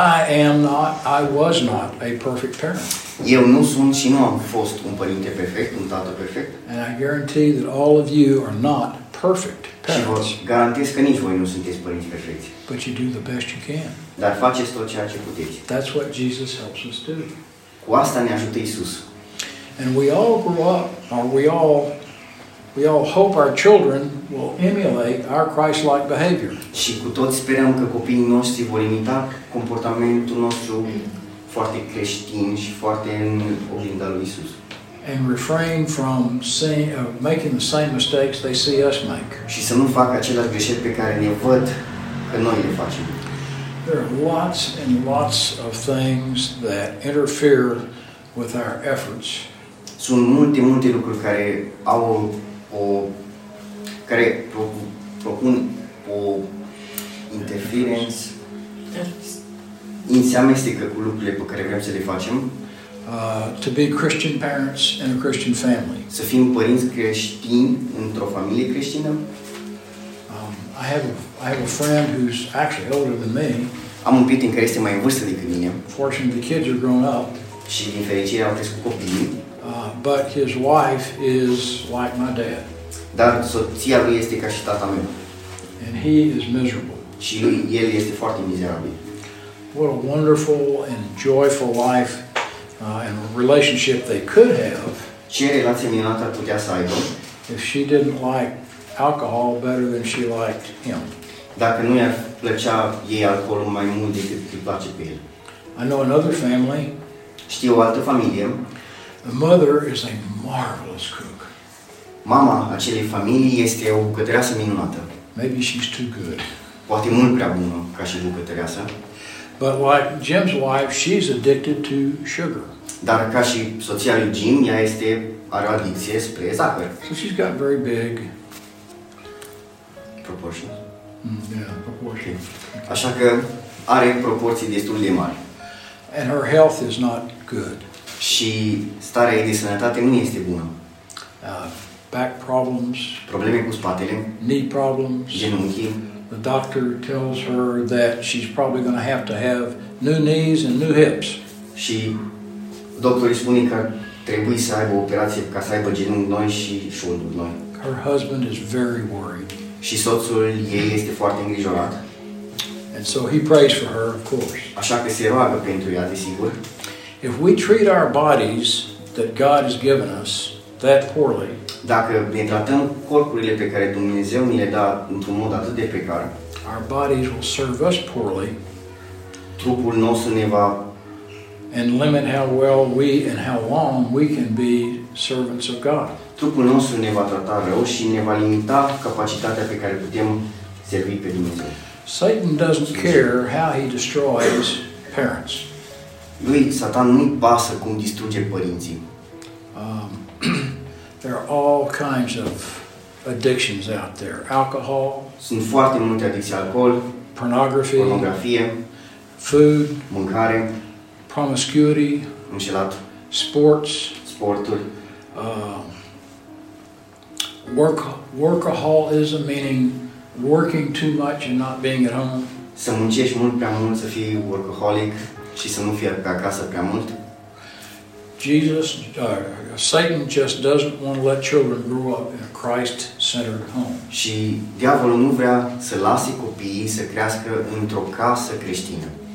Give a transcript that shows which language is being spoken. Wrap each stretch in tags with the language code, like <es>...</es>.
<en>I am not, I was not a perfect parent.</en> <ro>Eu nu sunt și nu am fost un părinte perfect, un tată perfect.</ro> <en>And I guarantee that all of you are not perfect parents.</en> <ro>Și vă garantez că nici voi nu sunteți părinți perfecți.</ro> <en>But you do the best you can.</en> <ro>Dar faceți tot ceea ce puteți.</ro> <en>That's what Jesus helps us do.</en> <ro>Cu asta ne ajută Iisus.</ro> <en>And we all grow up, or we all hope our children will emulate our Christ-like behavior.</en> <ro>Și cu toți sperăm că copiii noștri vor imita comportamentul nostru foarte creștin și foarte în oglinda lui Isus.</ro> <en>And refrain from making the same mistakes they see us make.</en> <ro>Și să nu facă aceleași greșeli pe care ne văd că noi le facem.</ro> <en>There are lots and lots of things that interfere with our efforts.</en> <ro>Sunt multe, multe lucruri care au care propun o interferență, înseamestecă cu lucrurile pe care vrem să le facem.</ro> <en>To be Christian parents in a Christian family.</en> <ro>Să fim părinți creștini într-o familie creștină.</ro> <en>I have a friend who's actually older than me.</en> <ro>Am un prieten care este mai în vârstă decât mine.</ro> <en>Fortunately, the kids are grown up.</en> <ro>Și din fericire au crescut copiii.</ro> <en>But his wife is like my dad.</en> <ro>Dar soția lui este ca și tata meu.</ro> <en>And he is miserable.</en> <ro>Și lui, el este foarte mizerabil.</ro> <en>What a wonderful and joyful life and relationship they could have.</en> <ro>Ce relație minunată ar putea să aibă.</ro> <en>If she didn't like alcohol better than she liked him.</en> <ro>Dacă nu i-ar plăcea ei alcoolul mai mult decât îi place pe el.</ro> <en>I know another family.</en> <ro>Știu o altă familie.</ro> <en>The mother is a marvelous cook.</en> <ro>Mama acelei familii este o bucătăreasă minunată.</ro> <en>Maybe she's too good.</en> <ro>Poate mult prea bună ca și bucătăreasă.</ro> <en>But like Jim's wife, she's addicted to sugar.</en> <ro>Dar ca și soția lui Jim, ea este are o adicție spre zahăr.</ro> <en>So she's got very big proportions. Proportions.</en> <ro>Așa că are proporții destul de mari.</ro> <en>And her health is not good.</en> <ro>Și starea ei de sănătate nu este bună.</ro> <en>Back problems,</en> <ro>probleme cu spatele,</ro> <en>knee problems,</en> <ro>genunchi.</ro> <en>The doctor tells her that she's probably going to have new knees and new hips.</en> <ro>Și doctorul spune că trebuie să aibă operație ca să aibă genunchi noi și șolduri noi.</ro> <en>Her husband is very worried.</en> <ro>Și soțul ei este foarte îngrijorat.</ro> <en>And so he prays for her, of course.</en> <ro>Așa că se roagă pentru ea, desigur.</ro> <en>If we treat our bodies that God has given us that poorly,</en> <ro>dacă ne tratăm corpurile pe care Dumnezeu ni le dă într-un mod atât de precar,</ro> <en>our bodies will serve us poorly.</en> <ro>Trupul nostru ne va</ro> <en>and limit how well we and how long we can be servants of God.</en> <ro>Trupul nostru ne va trata rău și ne va limita capacitatea pe care putem servi pe Dumnezeu.</ro> <en>Satan doesn't care how he destroys parents.</en> <ro>Lui, Satan, nu-i pasă cum distruge părinții.</ro> <en>There are all kinds of addictions out there. Alcohol.</en> <ro>Sunt foarte multe adicții, alcool,</ro> <en>pornography,</en> <ro>pornografie,</ro> <en>food,</en> <ro>mâncare,</ro> <en>promiscuity,</en> <ro>înșelat,</ro> <en>sports,</en> <ro>sporturi.</ro> <en>Workaholism, meaning working too much and not being at home.</en> <ro>Să muncești mult prea mult, să fii workaholic și să nu fii pe acasă prea mult.</ro> <en>Jesus, Satan just doesn't want to let children grow up in a Christ-centered home.</en> <ro>Și diavolul nu vrea să lase copiii să crească într-o casă creștină.</ro>